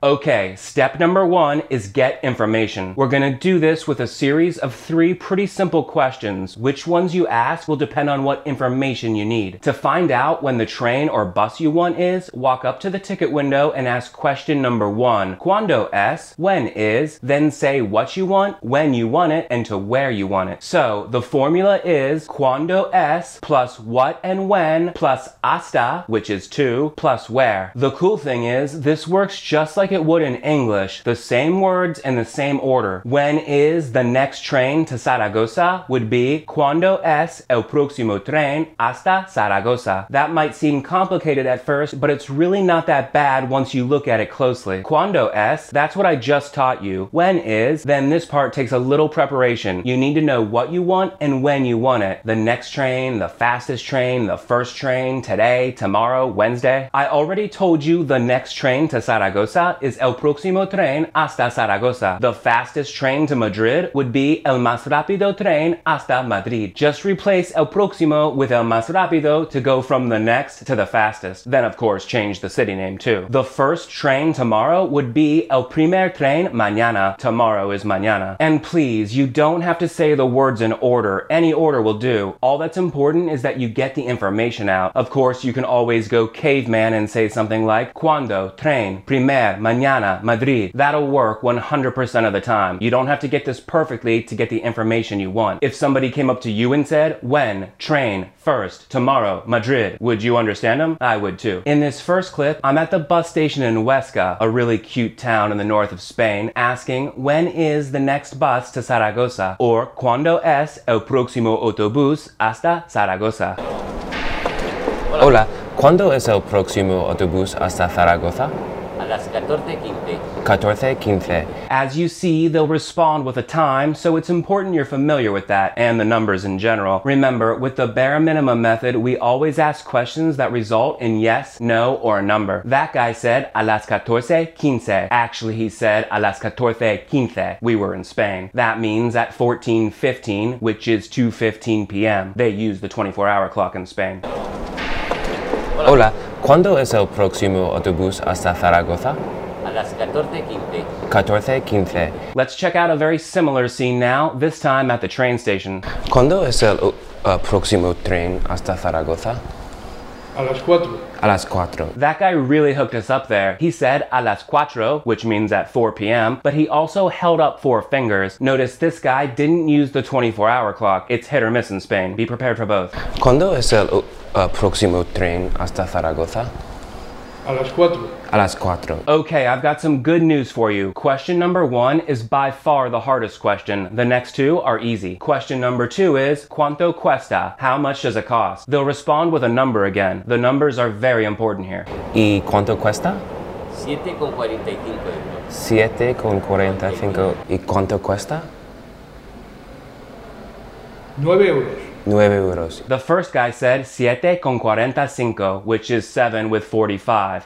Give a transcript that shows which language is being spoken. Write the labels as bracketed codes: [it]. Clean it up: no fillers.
[en] Okay, step number one is get information. We're gonna do this with a series of three pretty simple questions. Which ones you ask will depend on what information you need. To find out when the train or bus you want is, walk up to the ticket window and ask question number one, [es] ¿cuándo es? [en] When is? Then say what you want, when you want it, and to where you want it. So, the formula is [es] ¿cuándo es? [en] Plus what and when, plus hasta, which is to, plus where. The cool thing is, this works just like it would in English. The same words and the same order. When is the next train to Zaragoza would be [es] ¿Cuándo es el próximo tren hasta Zaragoza? [en] That might seem complicated at first, but it's really not that bad once you look at it closely. [es] ¿Cuándo es? [en] That's what I just taught you. When is? Then this part takes a little preparation. You need to know what you want and when you want it. The next train, the fastest train, the first train, today, tomorrow, Wednesday. I already told you the next train to Zaragoza is [es] el próximo tren hasta Zaragoza. [en] The fastest train to Madrid would be [es] el más rápido tren hasta Madrid. [en] Just replace [es] el próximo [en] with [es] el más rápido [en] to go from the next to the fastest. Then of course change the city name too. The first train tomorrow would be [es] el primer tren mañana. [en] Tomorrow is mañana. And please, you don't have to say the words in order. Any order will do. All that's important is that you get the information out. Of course, you can always go caveman and say something like [es] ¿Cuándo? Tren. Primer. Mañana. Madrid. [en] That'll work 100% of the time. You don't have to get this perfectly to get the information you want. If somebody came up to you and said when, train, first, tomorrow, Madrid, would you understand them? I would too. In this first clip, I'm at the bus station in Huesca, a really cute town in the north of Spain, asking when is the next bus to Zaragoza? [es] Or ¿Cuándo es el próximo autobús hasta Zaragoza? Hola. Hola. ¿Cuándo es el próximo autobús hasta Zaragoza? A las 14:15. 14:15. [en] As you see, they'll respond with a time, so it's important you're familiar with that and the numbers in general. Remember, with the bare minimum method, we always ask questions that result in yes, no, or a number. That guy said [es] a las 14:15. [en] Actually, he said a las 14:15. We were in Spain. That means at 14:15, which is 2:15 p.m. They use the 24-hour clock in Spain. [es] Hola, ¿cuándo es el próximo autobús hasta Zaragoza? A las 14:15. 14:15. [en] Let's check out a very similar scene now, this time at the train station. [es] ¿Cuándo es el próximo tren hasta Zaragoza? A las 4. A las 4. [en] That guy really hooked us up there. He said [es] a las 4, [en] which means at 4 p.m., but he also held up four fingers. Notice this guy didn't use the 24-hour clock. It's hit or miss in Spain. Be prepared for both. [es] ¿Cuándo es el próximo tren hasta Zaragoza? A las 4. A las 4. [en] Okay, I've got some good news for you. Question number 1 is by far the hardest question. The next two are easy. Question number 2 is, [es] ¿cuánto cuesta? [en] How much does it cost? They'll respond with a number again. The numbers are very important here. [es] ¿Y cuánto cuesta? 7,45 euros. 7,45. ¿Y cuánto cuesta? 9 euros. 9 euros. [en] The first guy said 7,45, which is 7 with 45.